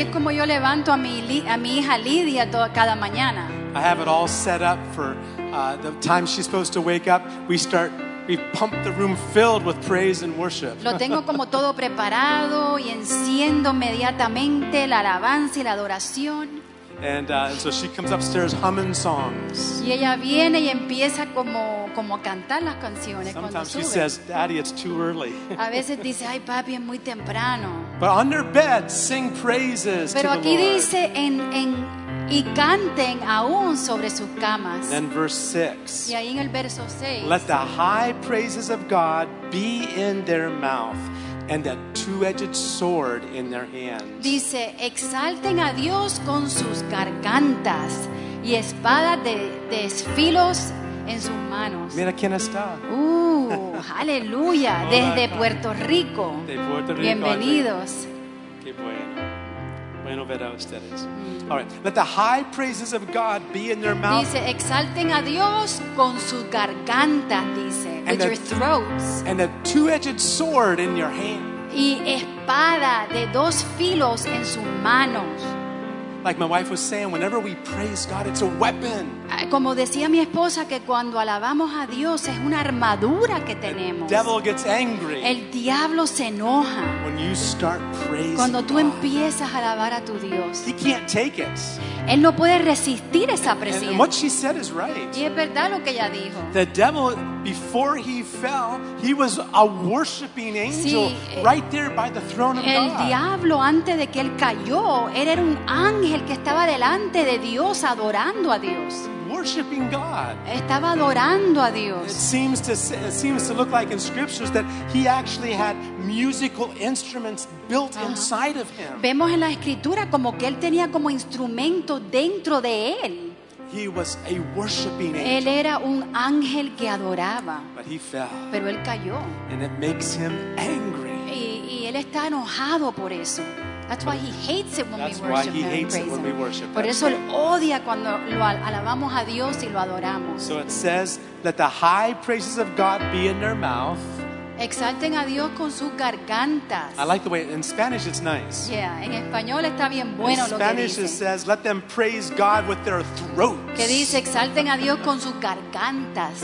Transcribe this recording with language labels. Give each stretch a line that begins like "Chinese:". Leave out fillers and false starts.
Spanish: Así es como yo levanto a mi hija Lydia cada mañana.
English: I have it all set up for the time she's supposed to wake up. We pump the room filled with praise and worship.
Spanish: Lo tengo como todo preparado y enciendo inmediatamente la alabanza y la adoración.
English: And so she comes upstairs humming songs.
Spanish: Y ella viene y empieza como a cantar las canciones.
English: Sometimes she says, "Daddy, it's too early."
Spanish: A veces dice, "Ay, papi, es muy temprano."
English: But on their bed, sing praises.
Spanish: Pero
English: to
Spanish: aquí
English: the Lord.
Spanish: Dice en y canten aún sobre sus camas.
English: And then verse 6.
Spanish: Y ahí en el verso 6.
English: Let the high praises of God be in their mouth. And that two-edged sword in their hands.
Spanish: Dice, exalten a Dios con sus gargantas y espada de filos en sus manos. Mira quién está. Aleluya. Desde Puerto Rico. De Puerto Rico. Bienvenidos. Qué bueno. Bueno ver a ustedes.
English: All right. Let the high praises of God be in their mouth.
Spanish: Dice, exalten a Dios con sus gargantas, dice,
English: with your throats. And a two-edged sword in your hand.
Spanish: Y espada de dos filos en sus manos.
English: Like my wife was saying, whenever we praise God, it's a weapon.
Spanish: Como decía mi esposa, que cuando alabamos a Dios es una armadura que tenemos.
English: The devil gets angry.
Spanish: El diablo se enoja.
English: When you start praising God.
Spanish: Cuando tú empiezas a alabar a tu Dios.
English: He can't take it.
Spanish: Él no puede resistir esa presión.
English: And what she said is right.
Spanish: Y es verdad lo que ella dijo.
English: The devil, before he fell, he was a worshiping angel,
Spanish: sí,
English: right there by the throne of
Spanish: el
English: God.
Spanish: El diablo, antes de que él cayó, era un ángel que estaba delante de Dios adorando a Dios.
English: Worshiping God.
Spanish: Estaba adorando a Dios.
English: It seems to look like in scriptures that he actually had musical instruments built inside of him.
Spanish: Vemos en la escritura como que él tenía como instrumento dentro de él.
English: He was a worshiping angel.
Spanish: Él era un ángel que adoraba.
English: But he fell.
Spanish: Pero él cayó.
English: And it makes him angry.
Spanish: Y él está enojado por eso.
English: That's why he hates it when we worship.
Spanish: Por eso él odia cuando lo alabamos a Dios y lo adoramos.
English: So it says, let the high praises of God be in their mouth.
Spanish: Exalten a Dios con sus gargantas.
English: I like the way, in Spanish it's nice.
Spanish: Yeah, en español está bien bueno lo que dice.
English: In Spanish it says, let them praise God with their throats.
Spanish: Que dice, exalten a Dios con sus gargantas.